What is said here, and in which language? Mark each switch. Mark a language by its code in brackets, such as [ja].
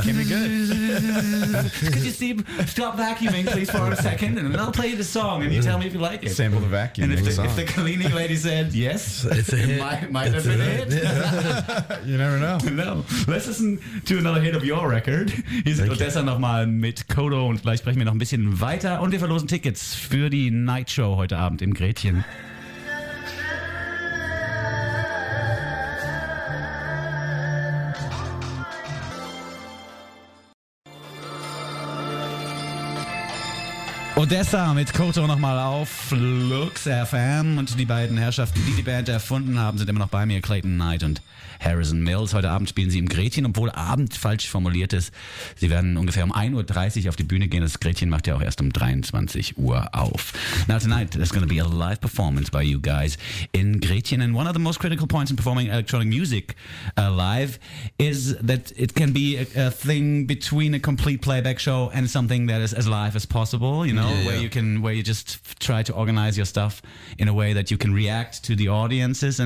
[en] That can be good. Could you stop vacuuming, please, for a second, and then I'll play you the song, and you tell me if you like it. Sample the vacuum. And if the cleaning lady said yes, it might have been a hit. Yeah. You never know. No. Let's listen to another hit of your record. [de] Hier ist Odessa nochmal mit Kodo und gleich sprechen wir noch ein bisschen weiter und wir verlosen Tickets für die Nightshow heute Abend im Gretchen. Odessa mit Koto nochmal auf Lux FM und die beiden Herrschaften, die Band erfunden haben, sind immer noch bei mir, Clayton Knight und Harrison Mills. Heute Abend spielen sie im Gretchen, obwohl Abend falsch formuliert ist. Sie werden ungefähr um 1.30 Uhr auf die Bühne gehen. Das Gretchen macht ja auch erst um 23 Uhr auf. [en] Now tonight, there's going to be a live performance by you guys in Gretchen. And one of the most critical points in performing electronic music live is that it can be a thing between a complete playback show and something that is as live as possible, where you just try to organize your stuff in a way that you can react to the audiences.